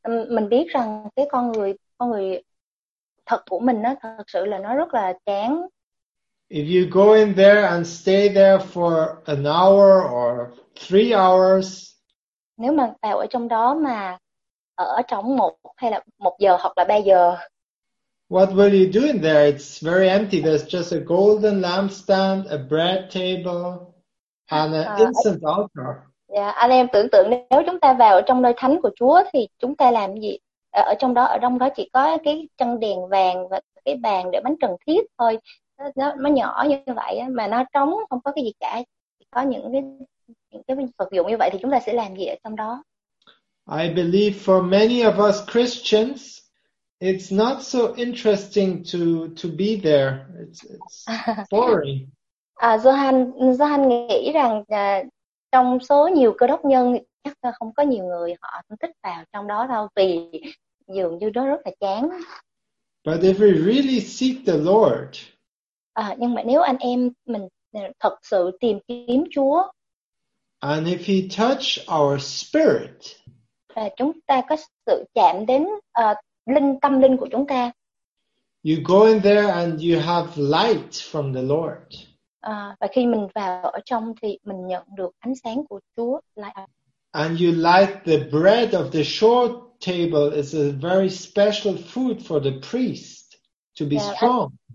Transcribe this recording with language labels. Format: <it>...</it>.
<vi>Mình biết rằng cái con người thật của mình nó thật sự là nó rất là chán.</vi> <en>If you go in there and stay there for an hour or 3 hours.</en> <vi>Nếu mà vào ở trong đó mà ở trong một giờ hoặc là 3 giờ.</vi> <en>What will you do in there? It's very empty. There's just a golden lampstand, a bread table, and an incense altar.</en> <vi>Yeah, anh em tưởng tượng nếu chúng ta vào ở trong nơi thánh của Chúa thì chúng ta làm gì? Ở trong đó chỉ có cái chân đèn vàng và cái bàn để bánh trần thiết thôi. Nó nhỏ như vậy mà nó trống, không có cái gì cả. Chỉ có những cái vật dụng như vậy thì chúng ta sẽ làm gì ở trong đó?</vi> <en>I believe for many of us Christians, it's not so interesting to be there. It's boring.</en> <vi>Johan nghĩ rằng trong số nhiều cơ đốc nhân chắc là không có nhiều người họ thích vào trong đó đâu vì dường như đó rất là chán.</vi> <en>But if we really seek the Lord,</en> <vi>nhưng mà nếu anh em mình thật sự tìm kiếm Chúa,</vi> <en>and if he touch our spirit,</en> <vi>và chúng ta có sự chạm đến linh tâm linh của chúng ta,</vi> <en>you go in there and you have light from the Lord.</en> <vi>Và khi mình vào ở trong thì mình nhận được ánh sáng của Chúa.</vi> <en>And you light the bread of the shore table is a very special food for the priest to be strong.</en>